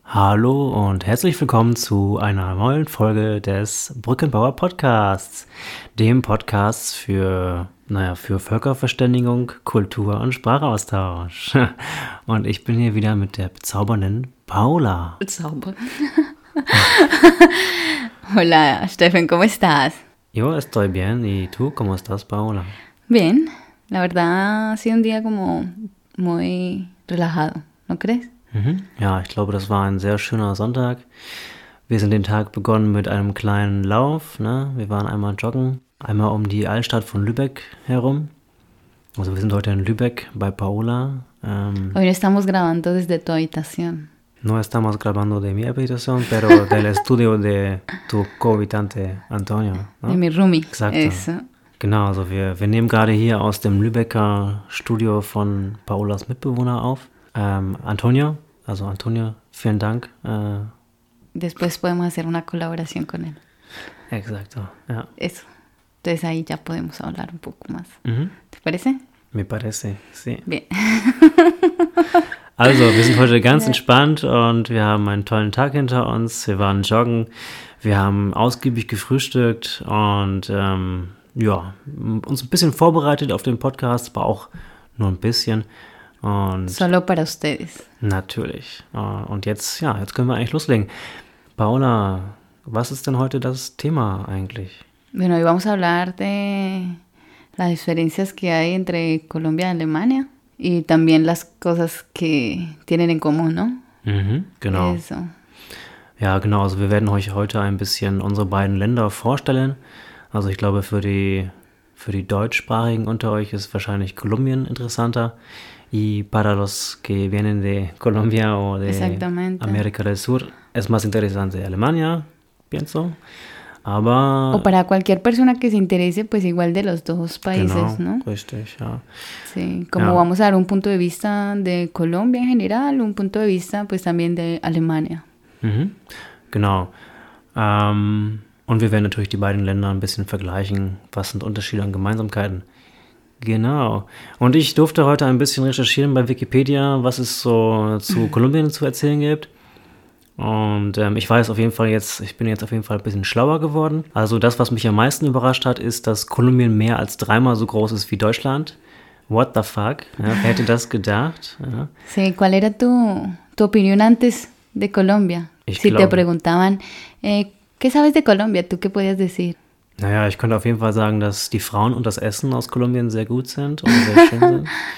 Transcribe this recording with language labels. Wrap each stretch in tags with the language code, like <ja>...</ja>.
<de>Hallo und herzlich willkommen zu einer neuen Folge des Brückenbauer Podcasts, dem Podcast für, für Völkerverständigung, Kultur und Sprachaustausch. Und ich bin hier wieder mit der bezaubernden Paula.</de> <es>Hola, Steffen, ¿cómo estás? Yo estoy bien, ¿y tú cómo estás, Paula? Bien, la verdad ha sido un día como muy relajado, ¿no crees?</es> <de>Ja, ich glaube, das war ein sehr schöner Sonntag. Wir sind den Tag begonnen mit einem kleinen Lauf. Ne? Wir waren einmal joggen, einmal um die Altstadt von Lübeck herum. Also wir sind heute in Lübeck bei Paola.</de> <es>Hoy estamos grabando desde tu habitación. No estamos grabando de mi habitación, pero del estudio de tu cohabitante Antonio. Ne? De mi roomie. Exacto. Eso.</es> <de>Genau, also wir nehmen gerade hier aus dem Lübecker Studio von Paolas Mitbewohner auf. Antonio, vielen Dank.</de> <es>Después podemos hacer una colaboración con él. Exacto, ja. Eso. Entonces ahí ya podemos hablar un poco más. Mm-hmm. ¿Te parece? Me parece, sí. Bien.</es> <de>Also, wir sind heute ganz entspannt und wir haben einen tollen Tag hinter uns. Wir waren joggen, wir haben ausgiebig gefrühstückt und uns ein bisschen vorbereitet auf den Podcast, aber auch nur ein bisschen. Und</de> <es>solo para ustedes.</es> <de>Natürlich. Und jetzt, ja, jetzt können wir eigentlich loslegen. Paola, was ist denn heute das Thema eigentlich?</de> <es>Bueno, hoy vamos a hablar de las diferencias que hay entre Colombia y Alemania y también las cosas que tienen en común, ¿no?</es> <de>Mhm, genau. Eso. Ja, genau. Also wir werden euch heute ein bisschen unsere beiden Länder vorstellen. Also ich glaube, für die Deutschsprachigen unter euch ist wahrscheinlich Kolumbien interessanter.</de> <es>Y para los que vienen de Colombia o de América del Sur, es más interesante Alemania, pienso.</es> <de>Aber</de> <es>o para cualquier persona que se interese, pues igual de los dos países,</es> <de>genau,</de> <es>¿no?</es> <de>Richtig, ja.</de> <es>Sí, como ja. Vamos a dar un punto de vista de Colombia en general, un punto de vista pues también de Alemania.</es> <de>Mhm. Genau. Und wir werden natürlich die beiden Länder ein bisschen vergleichen. Was sind Unterschiede und Gemeinsamkeiten? Genau. Und ich durfte heute ein bisschen recherchieren bei Wikipedia, was es so zu Kolumbien zu erzählen gibt. Und ich weiß auf jeden Fall jetzt, ich bin jetzt auf jeden Fall ein bisschen schlauer geworden. Also das, was mich am meisten überrascht hat, ist, dass Kolumbien mehr als dreimal so groß ist wie Deutschland.</de> <en>What the fuck?</en> <de>Ja, wer hätte das gedacht? Ja.</de> <es>Sí, ¿cuál era tu opinión antes de Colombia?</es> <de>Ich</de> <es>si te preguntaban, ¿qué sabes de Colombia? ¿Tú qué podías decir?</es> <de>Naja, ich könnte auf jeden Fall sagen, dass die Frauen und das Essen aus Kolumbien sehr gut sind und sehr schön sind.</de>